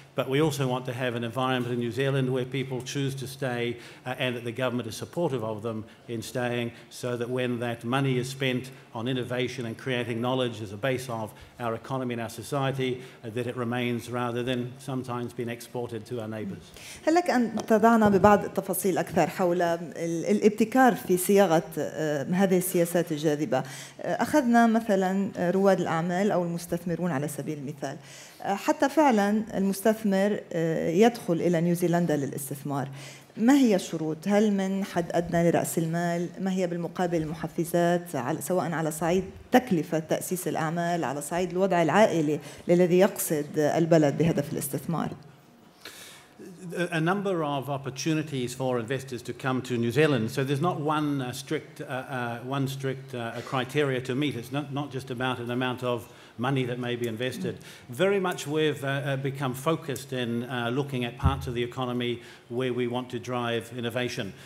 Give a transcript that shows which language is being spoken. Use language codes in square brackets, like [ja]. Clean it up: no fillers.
[en] But we also want to have an environment in New Zealand where people choose to stay and that the government is supportive of them in staying, so that when that money is spent on innovation and creating knowledge as a base of our economy and our society, that it remains rather than sometimes being exported to our neighbours. [ar] هلك أن تضعنا ببعض التفاصيل أكثر حول الابتكار في صياغة هذه السياسات الجاذبة. أخذنا مثلاً رواد الأعمال أو المستثمرون على سبيل المثال. حتى فعلا المستثمر يدخل إلى نيوزيلندا للاستثمار، ما هي الشروط؟ هل من حد أدنى لرأس المال؟ ما هي بالمقابل المحفزات، سواء على صعيد تكلفة تأسيس الأعمال، على صعيد الوضع العائلي للذي يقصد البلد بهدف الاستثمار؟ [en] A number of opportunities for investors to come to New Zealand. So there's not one strict criteria to meet. It's not just about an amount of money that may be invested. Very much we've become focused in looking at parts of the economy where we want to drive innovation.